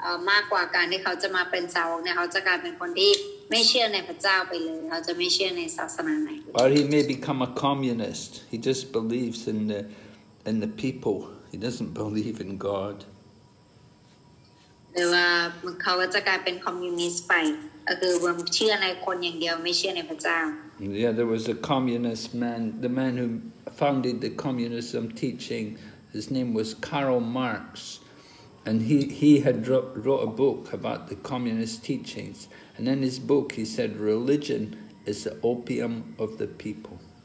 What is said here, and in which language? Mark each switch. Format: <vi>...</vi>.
<th>มากกว่าการที่เขาจะมาเป็นสาวกเนี่ยเขาจะกลายเป็นคนที่ไม่เชื่อในพระเจ้าไปเลยเขาจะไม่เชื่อในศาสนาไหน</th> <en>Or he may become a communist. He just believes in the people. He doesn't believe in God.</en> <th>หรือว่าเขาจะกลายเป็นคอมมิวนิสต์ไปก็คือไม่เชื่อในคนอย่างเดียวไม่เชื่อในพระเจ้า</th> <en>Yeah, there was a communist man. The man who founded the communism teaching. His name was Karl Marx. And he had wrote a book about the communist teachings. And in his book, he said, religion is the opium of the people.</en>